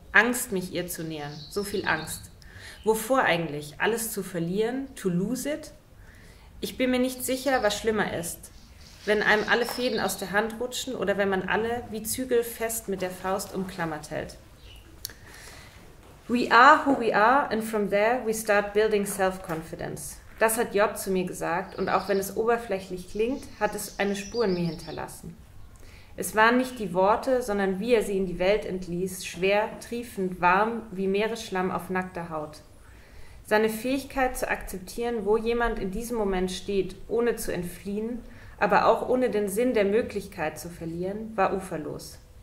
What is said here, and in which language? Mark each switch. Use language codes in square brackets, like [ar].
[de] Angst, mich ihr zu nähern. So viel Angst. Wovor eigentlich? Alles zu verlieren? [en] To lose it? [de] Ich bin mir nicht sicher, was schlimmer ist. Wenn einem alle Fäden aus der Hand rutschen oder wenn man alle wie Zügel fest mit der Faust umklammert hält. [en] We are who we are and from there we start building self-confidence. [de] Das hat Job zu mir gesagt und auch wenn es oberflächlich klingt, hat es eine Spur in mir hinterlassen. Es waren nicht die Worte, sondern wie er sie in die Welt entließ, schwer, triefend, warm wie Meeresschlamm auf nackter Haut. Seine Fähigkeit zu akzeptieren, wo jemand in diesem Moment steht, ohne zu entfliehen, aber auch ohne den Sinn der Möglichkeit zu verlieren, war uferlos.